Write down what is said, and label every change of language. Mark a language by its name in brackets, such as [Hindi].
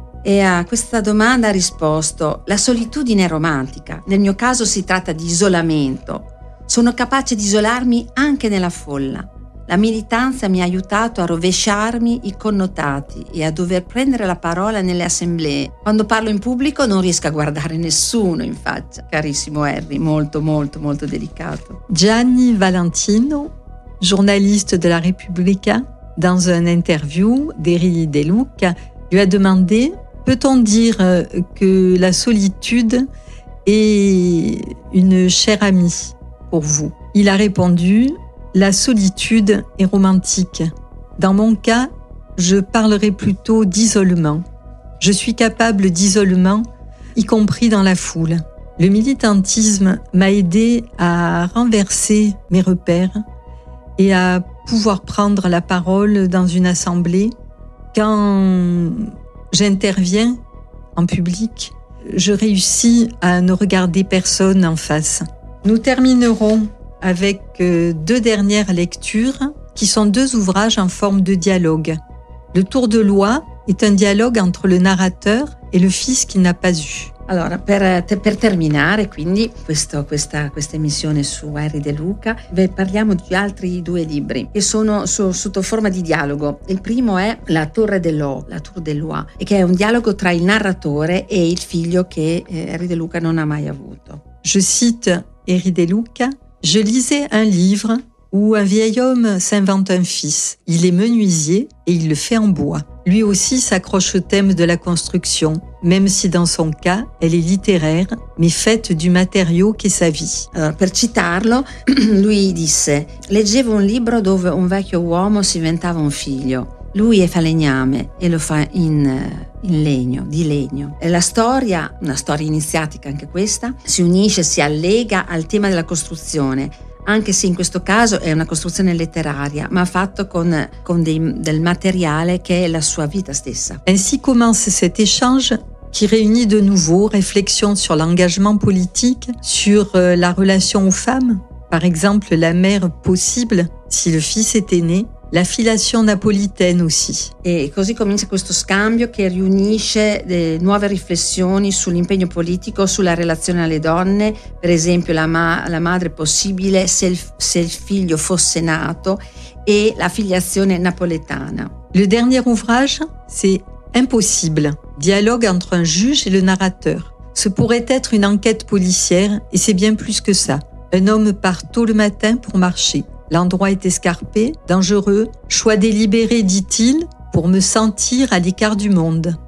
[Italian] E a questa domanda ha risposto: la solitudine è romantica, nel mio caso si tratta di isolamento, sono capace di isolarmi anche nella folla, la militanza mi ha aiutato a rovesciarmi i connotati e a dover prendere la parola nelle assemblee, quando parlo in pubblico non riesco a guardare nessuno in faccia. Carissimo Harry, molto molto molto delicato. [French] Gianni Valentino, journaliste de la Repubblica, dans une interview d'Henri De Luca, lui a demandé: peut-on dire que la solitude est une chère amie pour vous? Il a répondu: la solitude est romantique. Dans mon cas, je parlerai plutôt d'isolement. Je suis capable d'isolement, y compris dans la foule. Le militantisme m'a aidé à renverser mes repères et à pouvoir prendre la parole dans une assemblée. Quand j'interviens en public, je réussis à ne regarder personne en face. Nous terminerons avec deux dernières lectures, qui sont deux ouvrages en forme de dialogue. Le Tour de Loi est un dialogue entre le narrateur et le fils qu'il n'a pas eu. [Italian] Allora, per terminare quindi questa emissione su Henri De Luca, parliamo di altri due libri che sono sotto forma di dialogo. Il primo è La Torre de l'O, La Tour de l'Oie, e che è un dialogo tra il narratore e il figlio che Henri De Luca non ha mai avuto. [French] Je cite Henri De Luca: je lisais un livre où un vieil homme s'invente un fils. Il est menuisier et il le fait en bois. Lui aussi s'accroche au thème de la construction, même si dans son cas, elle est littéraire, mais faite du matériau qu'est sa vie. [Italian] Alors, per citarlo, lui disse: leggevo un libro dove un vecchio uomo si inventava un figlio. Lui è falegname e lo fa in legno, di legno. E la storia, una storia iniziatica anche questa, si unisce, si allega al tema della costruzione, anche se in questo caso è una costruzione letteraria, ma fatto con del materiale che è la sua vita stessa. [French] Ainsi commence cet échange qui réunit de nouveau réflexion sur l'engagement politique, sur la relation aux femmes, par exemple la mère possible si le fils était né. La filiation napolitaine aussi. [Italian] E così comincia questo scambio che riunisce nuove riflessioni sull'impegno politico, sulla relazione alle donne, per esempio la madre possibile se il figlio fosse nato e la filiazione napoletana. [French] Le dernier ouvrage, c'est Impossible, dialogue entre un juge et le narrateur. Ce pourrait être une enquête policière et c'est bien plus que ça. Un homme part tôt le matin pour marcher. L'endroit est escarpé, dangereux. Choix délibéré, dit-il, pour me sentir à l'écart du monde.